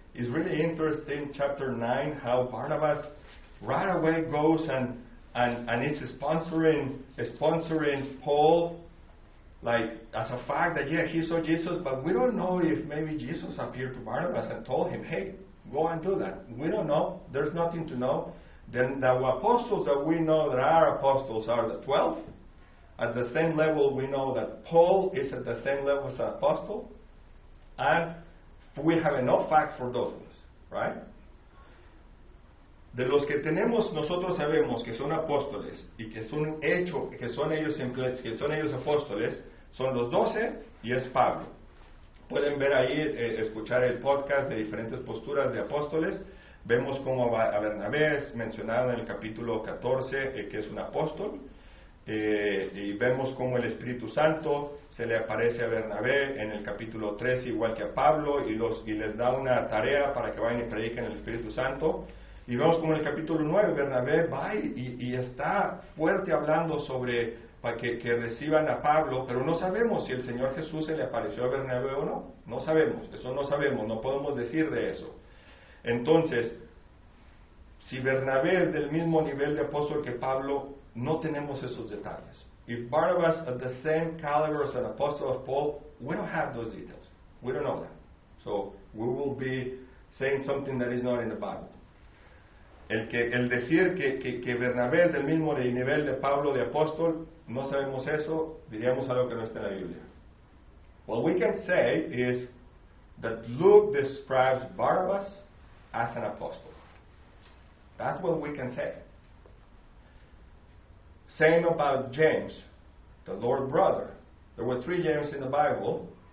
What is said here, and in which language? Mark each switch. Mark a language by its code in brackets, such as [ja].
[en] It's really interesting, chapter 9, how Barnabas right away goes and is sponsoring Paul, like, as a fact that, yeah, he saw Jesus, but we don't know if maybe Jesus appeared to Barnabas and told him, hey, go and do that. We don't know. There's nothing to know. Then the apostles that we know that are apostles are the 12. At the same level, we know that Paul is at the same level as an apostle. And we have enough facts for those ones, right? [es] De los que tenemos, nosotros sabemos que son apóstoles y que son hecho, que son ellos apóstoles, son los 12 y es Pablo. Pueden ver ahí, escuchar el podcast de diferentes posturas de apóstoles. Vemos cómo a Bernabé es mencionado en el capítulo 14, que es un apóstol. Y vemos cómo el Espíritu Santo se le aparece a Bernabé en el capítulo 13, igual que a Pablo, y les da una tarea para que vayan y prediquen el Espíritu Santo. Y vemos cómo en el capítulo 9 Bernabé va y está fuerte hablando sobre para que reciban a Pablo, pero no sabemos si el Señor Jesús se le apareció a Bernabé o no. No sabemos, eso no sabemos, no podemos decir de eso. Entonces, si Bernabé es del mismo nivel de apóstol que Pablo, no tenemos esos detalles. [en] If Barnabas at the same caliber as an apostle of Paul, we don't have those details. We don't know that. So we will be saying something that is not in the Bible. [es] El decir que Bernabé es del mismo nivel de Pablo de apóstol, no sabemos eso, diríamos algo que no está en la Biblia. [en] What we can say is that Luke describes Barnabas as an apostle. That's what we can say. Same about James, the Lord's brother. There were three James in the Bible.